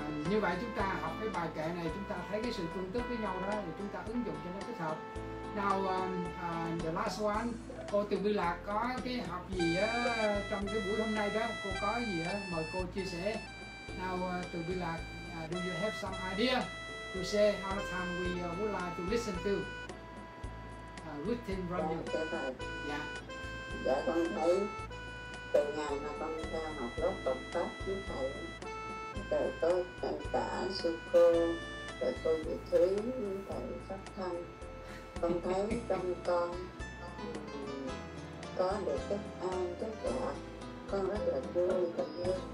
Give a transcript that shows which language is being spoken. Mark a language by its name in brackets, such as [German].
[Vietnamese] Như vậy chúng ta học cái bài kệ này, chúng ta thấy cái sự tương tức với nhau đó, thì chúng ta ứng dụng cho nó thích hợp. [English] Now the last one, [Vietnamese] cô Từ Bi Lạc có cái học gì á trong cái buổi hôm nay đó, cô có gì á mời cô chia sẻ. [English] Now Từ Bi Lạc, do you have some idea to say how the time we would like to listen to good thing from you? [Vietnamese] Dạ con thấy từ ngày mà con ra học lớp cộng tác với thầy, thầy có tất cả sư cô, thầy cô dự thúy, thầy phát thân, con thấy trong con có được cái an tất cả, con rất là vui, con biết.